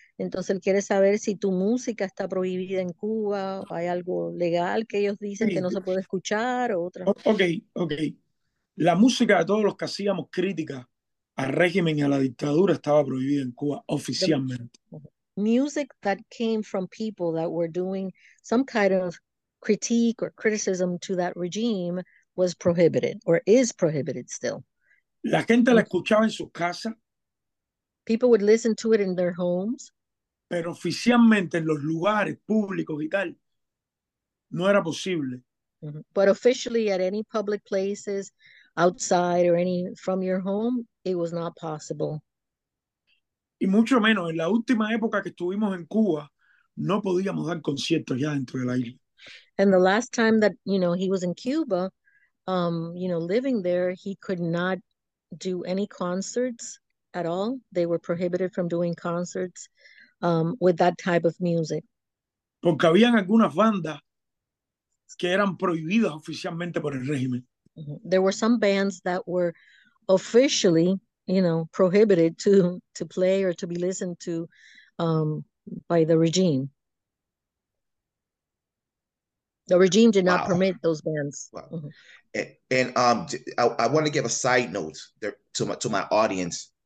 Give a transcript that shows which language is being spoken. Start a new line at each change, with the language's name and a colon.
Spanish: Entonces él quiere saber si tu música está prohibida en Cuba, o hay algo legal que ellos dicen que no se puede escuchar o otra. Okay. La música de todos los que hacíamos crítica al régimen y a la dictadura estaba prohibida en Cuba oficialmente.
English: Music that came from people that were doing some kind of critique or criticism to that regime was prohibited or is prohibited still.
Spanish: La gente la escuchaba en su casa.
English: People would listen to it in their homes.
Spanish: Pero oficialmente en los lugares públicos y tal, no era posible.
English: But officially at any public places, outside or any from your home, it was not possible.
Spanish: Y mucho menos en la última época que estuvimos en Cuba, no podíamos dar conciertos ya dentro de la isla.
English: And the last time that, you know, he was in Cuba, you know, living there, he could not do any concerts at all. They were prohibited from doing concerts with that type of music.
Spanish: Porque habían algunas bandas que eran prohibidas oficialmente por el régimen.
English: There were some bands that were officially, you know, prohibited to play or to be listened to by the regime. The regime did not permit those bands. Wow. Mm-hmm. And I want to give a side note there to my audience.